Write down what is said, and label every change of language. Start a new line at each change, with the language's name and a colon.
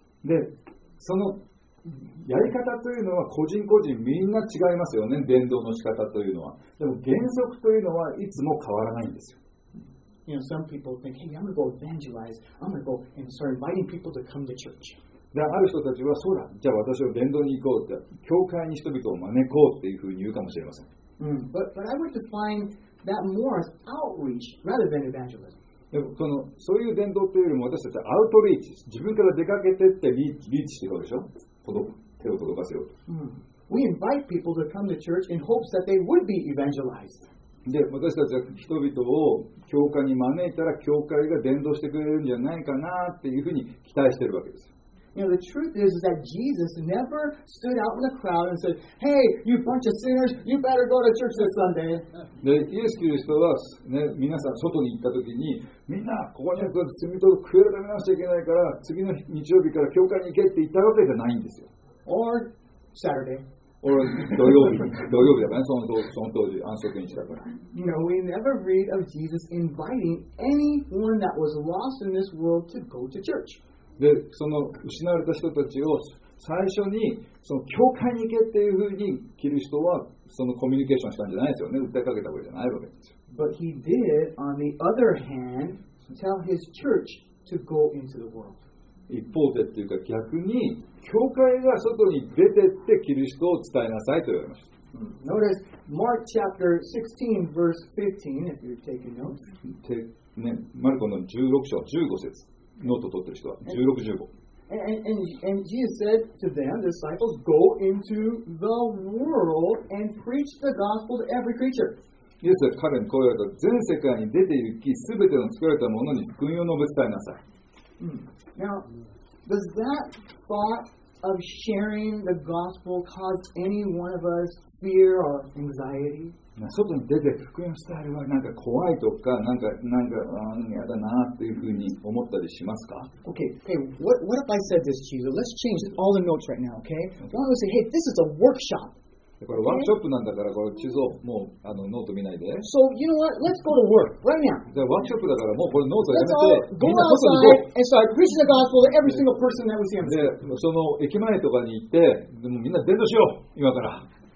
Japanese: で、そのやり方というのは個人個人みんな違いますよね、伝道の仕方というのは。でも原則というのはいつも変わらないんですよ。
English: You know, some people think, hey, I'm going to go evangelize. I'm going to go and start inviting people to come to church.
Japanese: である人たちは、そうだ、じゃあ私を伝道に行こうって、教会に人々を招こうっていうふうに言うかもしれません。
English: But I would define that more as outreach rather than evangelism.
Japanese: でもそのそういう伝道というよりも、私たちはアウトリーチ、自分から出かけてってリーチしてるでしょ、届く、手を届かせようと。
English: We invite people to come to church in hopes that they would be evangelized.
Japanese: で、私たちは人々を教会に招いたら、教会が伝道してくれるんじゃないかなっていうふうに期待してるわけです。
English: You know, the truth is that Jesus never stood out in the crowd and said, Hey, you bunch of sinners, you better go to church this Sunday.
Japanese: で、イエス・キリストは、ね、皆さん外に行った時に、みんなここに行くと罪と食い改めなくちゃいけないから、次の日曜日から教会に行けって言ったわけじゃないんですよ。
English: Or Saturday.
Japanese: Or 土曜日だからね、その当時、安息日だから。
English: You know, we never read of Jesus inviting anyone that was lost in this world to go to church.
Japanese: で、その失われた人たちを最初にその教会に行けっていうふうにキリストはそのコミュニケーションしたんじゃないですよね、訴えかけたわけじゃないわけですよ。
English: But he did, on the other hand, tell his church to go into the world.
Japanese: 一方でっていうか、逆に教会が外に出てってキリストを伝えなさいと言われました。
English: Notice Mark chapter 16 verse 15, if you're taking notes.
Japanese: マルコの16章15節。ノートを取ってる人は16、15
English: and Jesus said to them, disciples, go into the world and preach the gospel to every creature.
Japanese: イエスは彼にこう言われた、全世界に出て行き、すべての作られたものに福音を述べ伝えなさい。
English: Now, does that thought of sharing the gospel cause any one of us fear or anxiety?
Japanese: 外に出て福音を伝えるはなんか怖いとかなんかなんかやだなっていうふうに思ったりしますか
English: ？Okay, hey, what if I said this to you? Let's change all the notes right now, okay? Why don't we say, hey, this is a workshop.
Japanese: これワークショップなんだからこれ地図をもうあのノート見ないで。
English: So you know what? Let's go to work right now.
Japanese: じゃあワークショップだからもうこれノートやめて。
English: Go outside and start preaching the gospel to every single person that we see.
Japanese: でその駅前とかに行ってでもみんな伝道しよう今から。